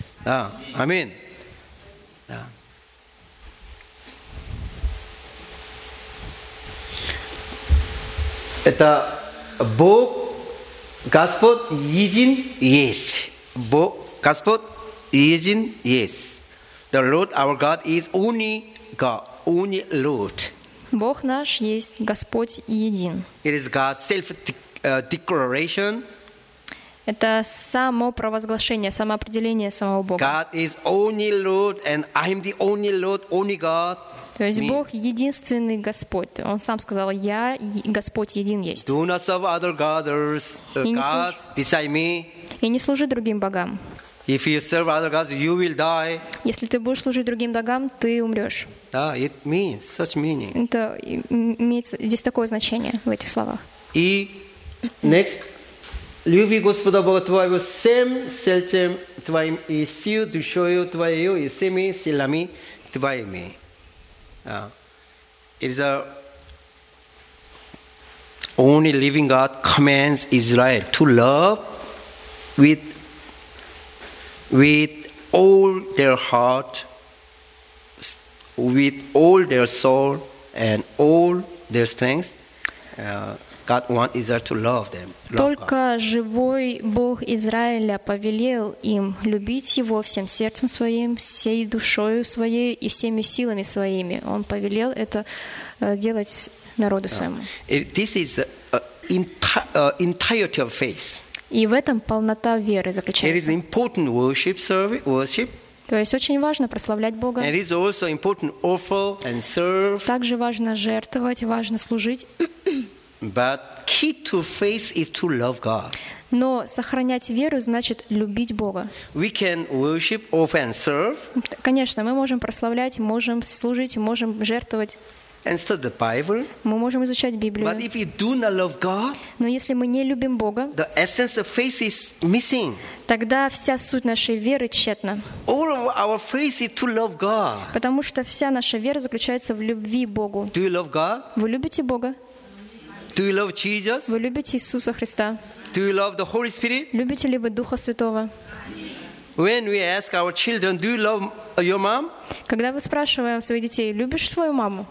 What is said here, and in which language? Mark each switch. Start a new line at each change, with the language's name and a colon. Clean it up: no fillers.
Russian: Да. Амин. Да. Это Бог, Господь един есть. Бог, Господь един есть.
English: The Lord our God is only God, only Lord.
Russian: Бог наш есть Господь един.
English: It is God's self-declaration.
Russian: Это само провозглашение, самоопределение самого Бога.
English: God is only Lord, and I am the only Lord, only God.
Russian: То есть Бог единственный Господь. Он сам сказал: «Я Господь един есть».
English: Do not serve other gods, gods beside me.
Russian: И не служи другим богам.
English: If you serve other gods, you will die.
Russian: Если ты будешь служить другим богам, ты умрешь.
English: Да, it means such meaning.
Russian: Это имеет здесь такое значение в этих словах.
English: И next.
Russian: Люби Господа Бога твоего всем сердцем твоим и всю душою твоей и всеми силами твоими.
English: It is a only living God commands Israel to love with all their heart, with all their soul and all their strength. God wants Israel to love them.
Russian: Только живой Бог Израиля повелел им любить Его всем сердцем своим, всей душою своей и всеми силами своими. Он повелел это делать народу своему.
English: This is the entirety of faith.
Russian: И в этом полнота веры заключается.
English: It is important worship service, worship.
Russian: То есть очень важно прославлять Бога.
English: It is also important offer and serve.
Russian: Также важно жертвовать, важно служить.
English: But key to faith is to love God.
Russian: Но сохранять веру значит любить Бога.
English: We can worship, offer, and serve.
Russian: Конечно, мы можем прославлять, можем служить, можем жертвовать.
English: and study the Bible.
Russian: Мы можем изучать Библию.
English: But if we do not love God,
Russian: но если мы не любим Бога,
English: the essence of faith is missing.
Russian: Тогда вся суть нашей веры тщетна.
English: All of our faith is to love God.
Russian: Потому что вся наша вера заключается в любви Богу.
English: Do you love God?
Russian: Вы любите Бога?
English: Do you love Jesus?
Russian: Вы любите Иисуса Христа?
English: Do you love the Holy Spirit?
Russian: Любите ли вы Духа Святого?
English: When we ask our children, "Do you love your mom?"
Russian: Когда мы спрашиваем своих детей, любишь свою маму?